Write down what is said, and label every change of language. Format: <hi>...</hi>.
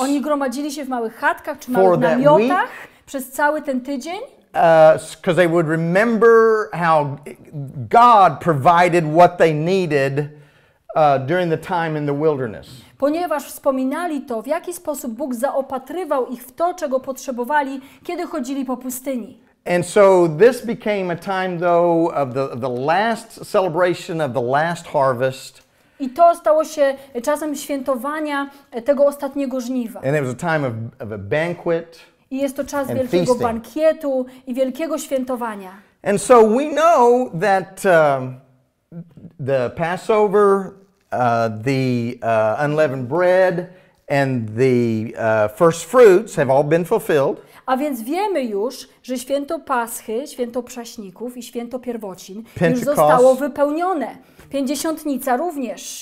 <pl>Oni gromadzili się w małych chatkach czy małych namiotach przez cały ten tydzień.</pl> <en>Because they would remember how God provided what they needed during the time in the wilderness.</en> <pl>Ponieważ wspominali to, w jaki sposób Bóg zaopatrywał ich w to, czego potrzebowali, kiedy chodzili po pustyni.</pl> <en>And so this became a time though of the last celebration of the last harvest.</en> <pl>I to stało się czasem świętowania tego ostatniego żniwa.</pl> <en>And it was a time of a banquet.</en> <pl>I jest to czas wielkiego bankietu i wielkiego świętowania.</pl> <en>And so we know that the Passover, the unleavened bread, and the first fruits have all been fulfilled.</en> <pl>A więc wiemy już, że święto Paschy, święto prześników i święto pierwocin</pl> <en>Pentecost,</en> <pl>już zostało wypełnione. Pięćdziesiątnica również.</pl>